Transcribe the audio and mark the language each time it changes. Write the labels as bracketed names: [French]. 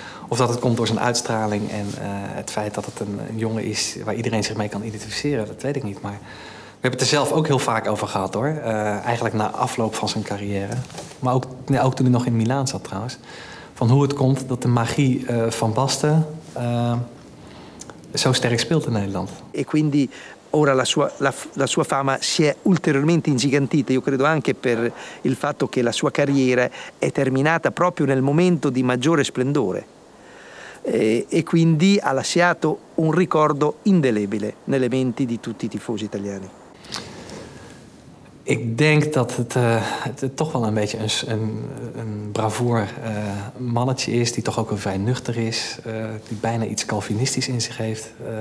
[Dutch] Of dat het komt door zijn uitstraling en het feit dat het een jongen is waar iedereen zich mee kan identificeren, dat weet ik niet. Maar we hebben het er zelf ook heel vaak over gehad hoor. Eigenlijk na afloop van zijn carrière. Maar ook, nee, ook toen hij nog in Milaan zat trouwens. Van hoe het komt dat de magie van Basten zo sterk speelt in Nederland. [Italian] En quindi ora la sua fama si è ulteriormente ingigantita. Io credo anche per il fatto che la sua carriera è terminata proprio nel momento di maggiore splendore. E quindi ha lasciato un ricordo indelebile nelle menti di tutti i tifosi italiani. [Dutch] Ik denk dat het toch wel een beetje een bravoer mannetje is, die toch ook een vrij nuchter is, die bijna iets calvinistisch in zich heeft.